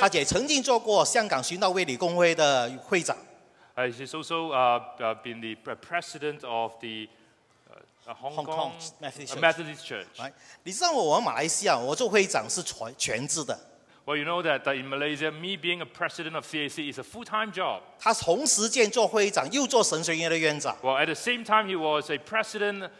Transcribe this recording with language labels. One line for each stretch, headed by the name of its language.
Chinese: 他也曾经做过香港寻道卫理公会的会长。
English: He's also been the president of the Hong Kong Methodist Church. Right?
Chinese: 你知道我马来西亚，我做会长是全职的。
English: Well, you know that in Malaysia, me being a president of CAC is a full-time job.
Chinese: 他同时间做会长，又做神学院的院长。
English: Well, at the same time, he was a president.